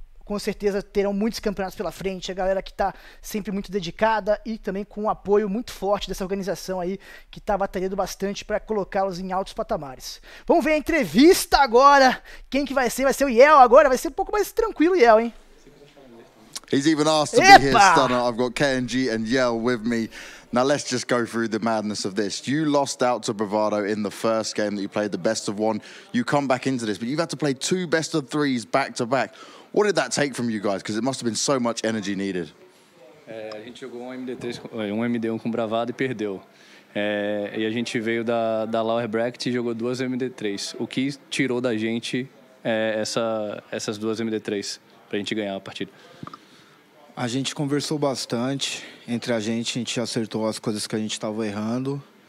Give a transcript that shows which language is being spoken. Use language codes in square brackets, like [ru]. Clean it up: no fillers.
[pt] Com certeza terão muitos campeonatos pela frente. A galera que está sempre muito dedicada e também com um apoio muito forte dessa organização aí, que está batalhando bastante para colocá-los em altos patamares. Vamos ver a entrevista agora. Quem que vai ser? Vai ser o Yel agora? Vai ser um pouco mais tranquilo, Yel, hein? [en] He's even asked to be here, Epa! Stunner. I've got KNG and Yell with me. Now let's just go through the madness of this. You lost out to Bravado in the first game that you played, the best of one. You come back into this, but you've had to play two best of threes back to back. What did that take from you guys? Because it must have been so much energy needed. [pt] A gente jogou um MD1 com Bravado e perdeu. E a gente veio da Lower Bracket e jogou duas MD3. O que tirou da gente essas duas MD3 para a gente ganhar a partida? A gente conversou bastante entre a gente acertou as coisas que a gente estava errando.